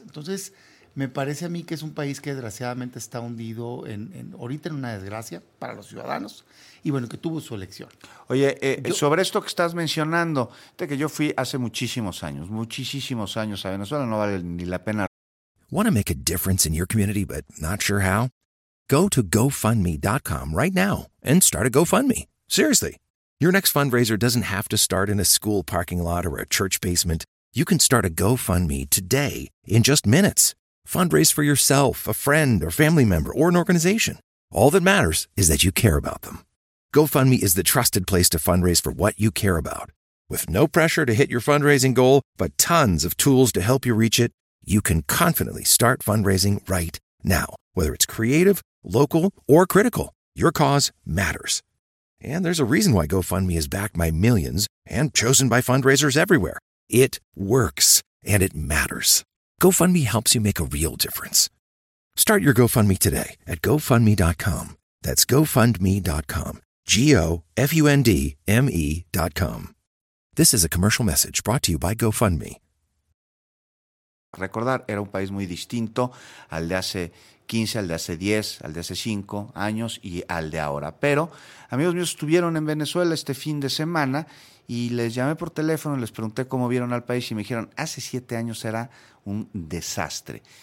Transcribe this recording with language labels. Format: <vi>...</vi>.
<es>Entonces, me parece a mí que es un país que desgraciadamente está hundido ahorita en una desgracia para los ciudadanos y bueno, que tuvo su elección. Oye, sobre esto que estás mencionando, de que yo fui hace muchísimos años a Venezuela, no vale ni la pena.</es> <en>Want to make a difference in your community but not sure how? Go to GoFundMe.com right now and start a GoFundMe. Seriously, your next fundraiser doesn't have to start in a school parking lot or a church basement. You can start a GoFundMe today in just minutes. Fundraise for yourself, a friend, or family member, or an organization. All that matters is that you care about them. GoFundMe is the trusted place to fundraise for what you care about. With no pressure to hit your fundraising goal, but tons of tools to help you reach it, you can confidently start fundraising right now. Whether it's creative, local, or critical, your cause matters. And there's a reason why GoFundMe is backed by millions and chosen by fundraisers everywhere. It works, and it matters. GoFundMe helps you make a real difference. Start your GoFundMe today at GoFundMe.com. That's GoFundMe.com. GoFundMe.com. This is a commercial message brought to you by GoFundMe.</en> <es>Recordar, era un país muy distinto al de hace 15, al de hace 10, al de hace 5 años y al de ahora. Pero, amigos míos, estuvieron en Venezuela este fin de semana y les llamé por teléfono, les pregunté cómo vieron al país y me dijeron, hace 7 años era un desastre.</es>